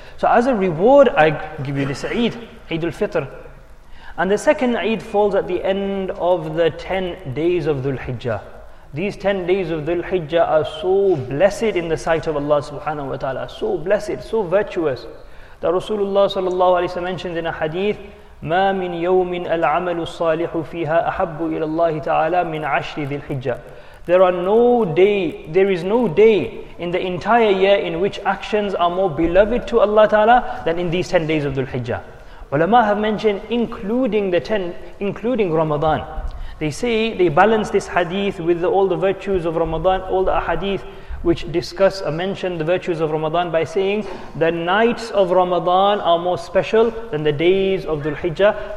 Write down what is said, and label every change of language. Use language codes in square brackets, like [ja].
[en] So as a reward, I give you this Eid, Eid al-Fitr. And the second Eid falls at the end of the 10 days of Dhul-Hijjah. These 10 days of Dhul-Hijjah are so blessed in the sight of Allah subhanahu wa ta'ala, so blessed, so virtuous. That Rasulullah sallallahu alayhi wa sallam mentions in a hadith, [ar] مَا مِن يَوْمٍ الْعَمَلُ الصَّالِحُ فِيهَا أَحَبُّ إِلَى اللَّهِ تَعَالَى مِنْ عَشْرِ ذِلْحِجَّةِ. [en] There is no day in the entire year in which actions are more beloved to Allah Ta'ala than in these 10 days of Dhul-Hijjah. Ulama have mentioned including Ramadan. They say, they balance this hadith with all the virtues of Ramadan, all the ahadith which discuss or mention the virtues of Ramadan, by saying the nights of Ramadan are more special than the days of Dhul-Hijjah.